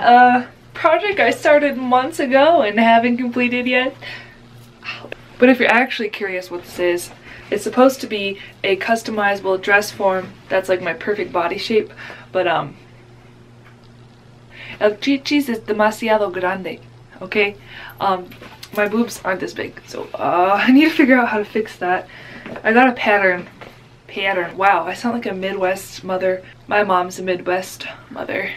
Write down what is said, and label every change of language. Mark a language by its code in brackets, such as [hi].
[en] A project I started months ago and haven't completed yet. But if you're actually curious what this is, it's supposed to be a customizable dress form that's like my perfect body shape. [es] But, El chichis es demasiado grande. [en] Okay? My boobs aren't this big, so I need to figure out how to fix that. I got a pattern. Wow, I sound like a Midwest mother. My mom's a Midwest mother.